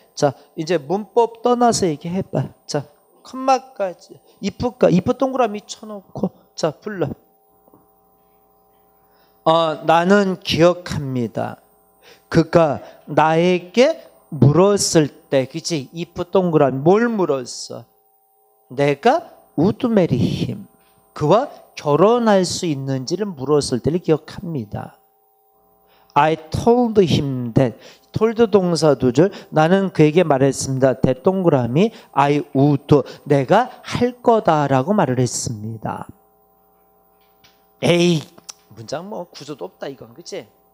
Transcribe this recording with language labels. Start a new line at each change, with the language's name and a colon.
Korean: 자, 이제 문법 떠나서 얘기해봐. 자, 콤마까지 if 동그라미 쳐놓고 자 불러. 나는 기억합니다. 그가 나에게 물었을 때, 그치? if 동그라미 뭘 물었어? 내가
English: would marry him.
Korean: 그와 결혼할 수 있는지를 물었을 때를 기억합니다.
English: I told him that. told
Korean: 동사 두 줄. 나는 그에게 말했습니다.
English: that
Korean: 동그라미.
English: I would.
Korean: 내가 할 거다라고 말을 했습니다. 에이, 문장 뭐 구조도 없다 이건, 그치?